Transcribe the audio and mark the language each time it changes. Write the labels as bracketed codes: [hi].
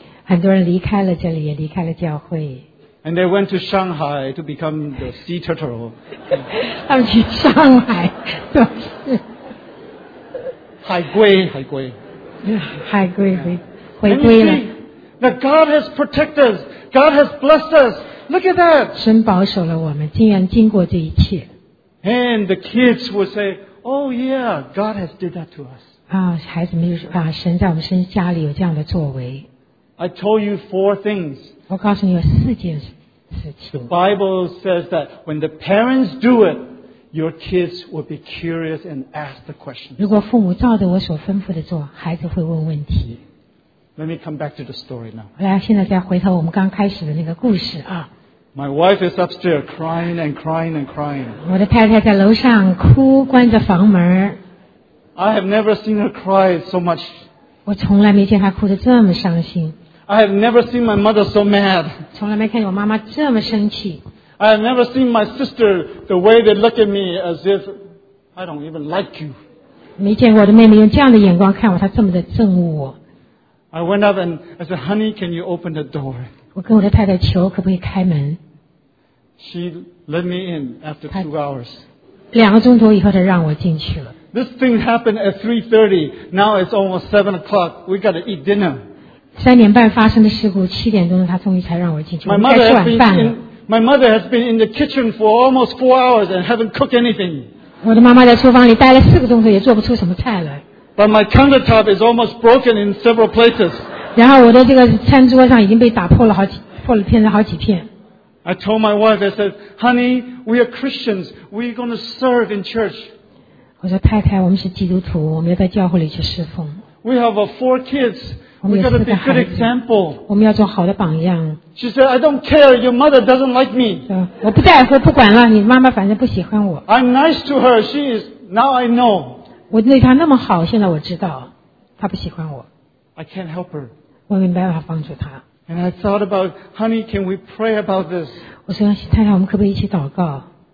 [zh] 很多人离开了这里，也离开了教会。 [en] And they went to Shanghai to become the sea turtle. [zh] 他们去上海做事。海龟。海龟回归了。 [en] That God has protected us. God has blessed us. Look at that. [zh] 神保守了我们，竟然经过这一切。 [en] And the kids would say, "Oh yeah, God has did that to us." [zh] 啊，孩子们就说啊，神在我们身家里有这样的作为。 [en] I told you four things. [zh] 我告诉你有四件事情。 [en] The Bible says that when the parents do it. Your kids will be curious and ask the questions. [zh] 如果父母照着我所吩咐的做，孩子会问问题。 [en] Let me come back to the story now. [zh] 来，现在再回头我们刚开始的那个故事啊。 [en] My wife is upstairs crying and crying and crying. [zh] 我的太太在楼上哭，关着房门。 [en] I have never seen her cry so much. [zh] 我从来没见她哭得这么伤心。 [en] I have never seen my mother so mad. [zh] 从来没看见我妈妈这么生气。 [en] I have never seen my sister the way they look at me as if I don't even like you. [zh] 没见过我的妹妹用这样的眼光看我，她这么的憎恶我。 [en] I went up and I said, "Honey, can you open the door?" [zh] 我跟我的太太求可不可以开门。 [en] She let me in after 2 hours. [zh] 两个钟头以后，她让我进去了。 [en] This thing happened at 3:30. Now it's almost 7:00. We got to eat dinner. [zh] 三点半发生的事故，七点钟她终于才让我进去。 [en] My mother has been in. My mother has been in the kitchen for almost 4 hours and haven't cooked anything. [zh] 我的妈妈在厨房里待了四个钟头，也做不出什么菜来。 [en] But my countertop is almost broken in several places. [zh] 然后我的这个餐桌上已经被打破了好几，破了片了好几片。 [en] I told my wife, I said, "Honey, we are Christians. We're going to serve in church." [zh] 我说太太，我们是基督徒，我们要在教会里去侍奉。 [en] We have four kids. We've got to be a good example. [zh] 我们要做好的榜样。 [en] She said, "I don't care. Your mother doesn't like me." [zh] 我不在乎，不管了。你妈妈反正不喜欢我。 [en] I'm nice to her. She is now I know. [zh] 我对她那么好，现在我知道，她不喜欢我。 [en] I can't help her. [zh] 我没办法帮助她。 [en] And I thought about, "Honey, can we pray about this?" [zh] 我说，太太，我们可不可以一起祷告